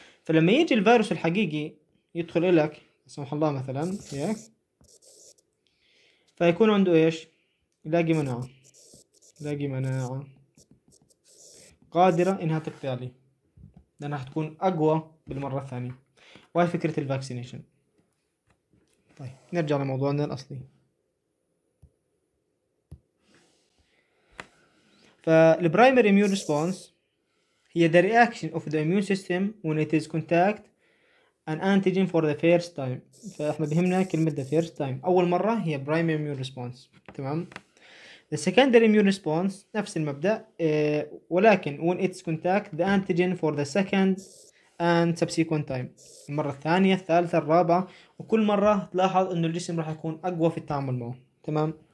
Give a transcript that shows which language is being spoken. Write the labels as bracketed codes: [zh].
[ar] فلما يجي الفيروس الحقيقي يدخل إلك سمح الله مثلا هيك، فيكون عنده ايش؟ يلاقي مناعة، يلاقي مناعة قادرة انها تقتلي لانها حتكون اقوى بالمرة الثانية، وهي فكرة الفاكسينيشن. طيب نرجع لموضوعنا الاصلي، فالبرايمري اميون ريسبونس هي [en] the reaction of the immune system when it is contact an antigen for the first time. [ar] فاحنا بهمنا كلمة [en] the first time، [ar] أول مرة هي primary immune response تمام. [en] the secondary immune response [ar] نفس المبدأ ولكن [en] when it's contact the antigen for the second and subsequent time، [ar] المرة الثانية الثالثة الرابعة، وكل مرة تلاحظ إنه الجسم راح يكون أقوى في التعامل معه تمام.